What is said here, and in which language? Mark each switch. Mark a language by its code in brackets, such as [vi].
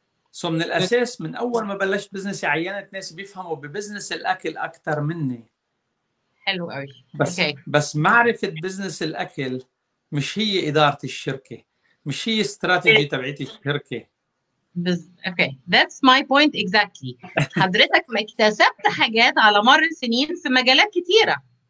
[ar] سو من الأساس من أول ما بلشت بزنسي عينت ناس بيفهموا ببزنس الأكل أكثر مني. حلو قوي. بس معرفة بزنس الأكل مش هي إدارة الشركة، مش هي استراتيجية تبعيتي الشركة. [en] Okay, that's my point exactly. [ar] حضرتك ما اكتسبت حاجات على مر السنين في مجالات كتيرة.